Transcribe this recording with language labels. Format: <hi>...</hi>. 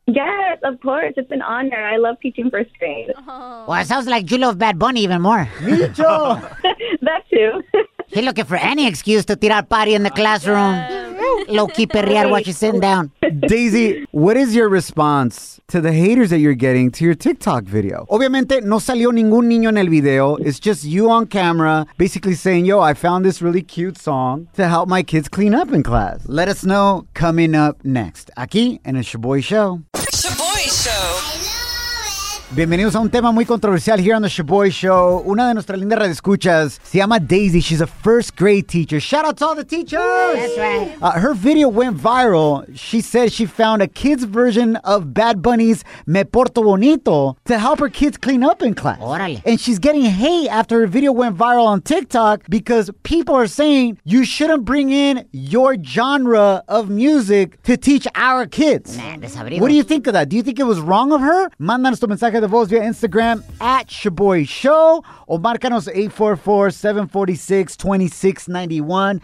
<en>Yes, of course. It's an honor. I love teaching first grade. Well, it sounds like you love Bad Bunny even more. Me too. That too. He's looking for any excuse to tirar party in the classroom. Low-key perrear while she's sitting down. Daisy, what is your response to the haters that you're getting to your TikTok video?</en> <es>Obviamente, no salió ningún niño en el video.</es> <en>It's just you on camera basically saying, yo, I found this really cute song to help my kids clean up in class. Let us know coming up next.</en> <es>Aquí en el</es> <en>Shaboy Show. Shaboy Show.</en> <es>Bienvenidos a un tema muy controversial</es> <en>here on the Shaboy Show.</en> <es>Una de nuestras lindas radioescuchas se llama Daisy.</es> <en>She's a first grade teacher. Shout out to all the teachers. That's right. Her video went viral. She said she found a kid's version of Bad Bunny's Me Porto Bonito to help her kids clean up in class.</en> <es>Orale.</es> <en>And she's getting hate after her video went viral on TikTok because people are saying you shouldn't bring in your genre of music to teach our kids. Man, what do you think of that? Do you think it was wrong of her?</en> <es>Mándanos tu mensaje de voz via Instagram at Shaboy Show o márcanos 844-746-2691.</es>